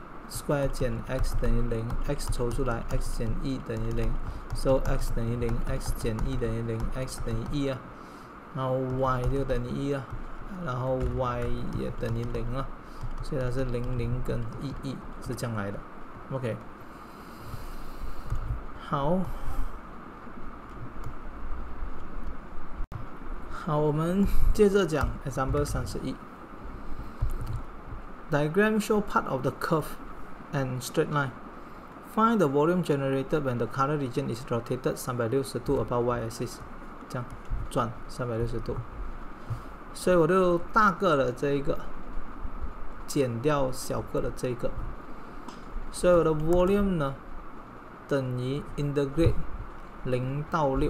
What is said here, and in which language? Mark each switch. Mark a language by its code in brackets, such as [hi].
[zh] square 减 x 等于 0， x 抽出来 x 减1等于 0，So x 等于零 ，x 减一等于零 ，x 等于一啊，然后 y 就等于一啊，然后 y 也等于零啊，所以它是00跟11是这样来的。 OK， 好，好，我们接着讲 example 31。 [en] Diagram show part of the curve and straight line. Find the volume generated when the color region is rotated 360 about y-axis， [zh] 这样转360度，所以我就大个的这一个减掉小个的这一个，所以我的 volume 呢等于 integrate 0到